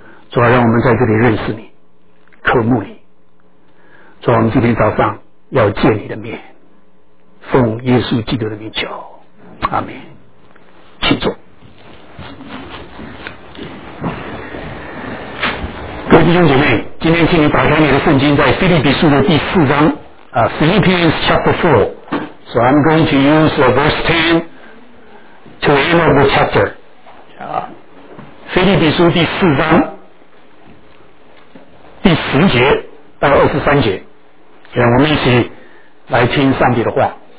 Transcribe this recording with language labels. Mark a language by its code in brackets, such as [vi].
[zh] 主啊，让我们在这里认识你，渴慕你。主啊，我们今天早上要见你的面，奉耶稣基督的名求，阿们。请坐。各位弟兄姐妹，今天请你打开你的圣经，在腓立比书的第四章 [en] Philippians chapter 4。 So I'm going to use verse 10 to the end of the chapter. [zh] 腓立比书第四章第十节到二十三节，让我们一起来听上帝的话。